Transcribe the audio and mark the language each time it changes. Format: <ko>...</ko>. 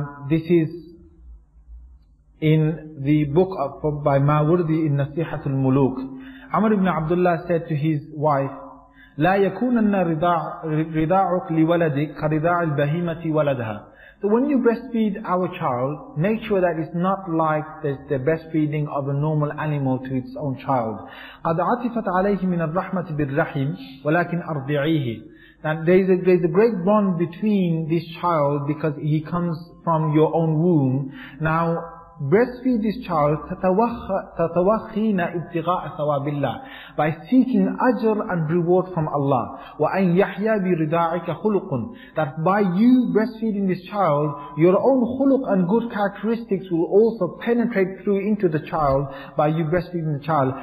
<en>This is in the book by Mawardi in Nasihatul Muluk. Amr ibn Abdullah said to his wife,</en> <ar>لا يكون رضاعك لولدك كرضاع البهيمة ولدها.</ar> <en>So when you breastfeed our child, make sure that it's not like the breastfeeding of a normal animal to its own child.</en> <ar>قد عطفت عليه من الرحمة بالرحم ولكن أرضعيه.</ar> <en>And there's a great bond between this child because he comes from your own womb. Now, breastfeed this child</en> <ar>تتوخينا ابتغاء ثواب الله,</ar> <en>by seeking ajr and reward from Allah.</en> <ar>وَأَنْ يَحْيَى بِرِضَاعِكَ خُلُقٌ,</ar> <en>that by you breastfeeding this child, your own khuluq and good characteristics will also penetrate through into the child by you breastfeeding the child.</en>